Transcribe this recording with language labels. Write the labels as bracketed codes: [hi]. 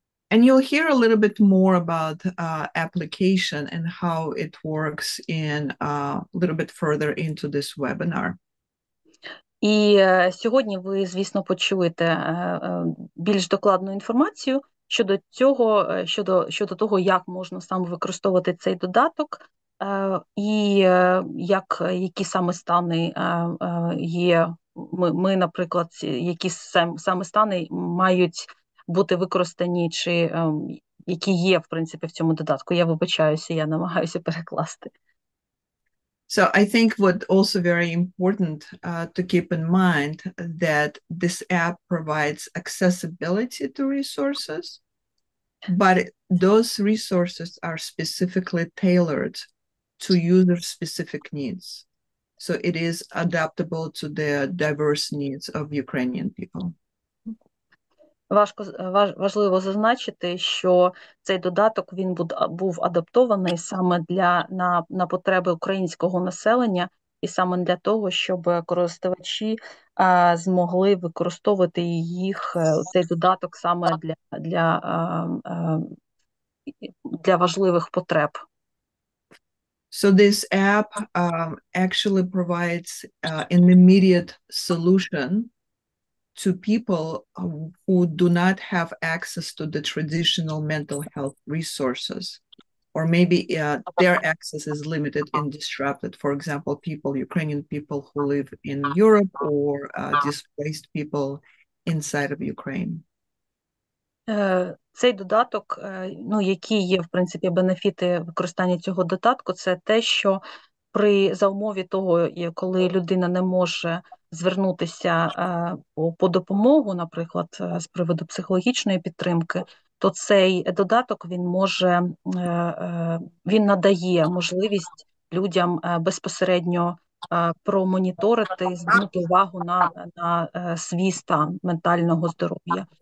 [en] And you'll hear a little bit more about application and how it works in a little bit further into this webinar. [uk] І сьогодні ви, звісно, почуєте більш докладну інформацію щодо цього, щодо того, як можна саме використовувати цей додаток. І як які саме стани є, ми наприклад, які саме стани мають бути використані, чи які є, в принципі, в цьому додатку. Я вибачаюся, я намагаюся перекласти. [en] So I think what also very important to keep in mind that this app provides accessibility to resources, but those resources are specifically tailored to user-specific needs. So it is adaptable to the diverse needs of Ukrainian people. [uk] Важливо зазначити, що цей додаток, він був адаптований саме на потреби українського населення і саме для того, щоб користувачі змогли використовувати цей додаток саме для важливих потреб. [en] So this app actually provides an immediate solution to people who do not have access to the traditional mental health resources, or maybe their access is limited and disrupted. For example, Ukrainian people who live in Europe or displaced people inside of Ukraine. [uk] Цей додаток, ну, які є, в принципі, бенефіти використання цього додатку, це те, що за умові того, коли людина не може звернутися по допомогу, наприклад, з приводу психологічної підтримки, то цей додаток, він надає можливість людям безпосередньо промоніторити, звернути увагу на свій стан ментального здоров'я.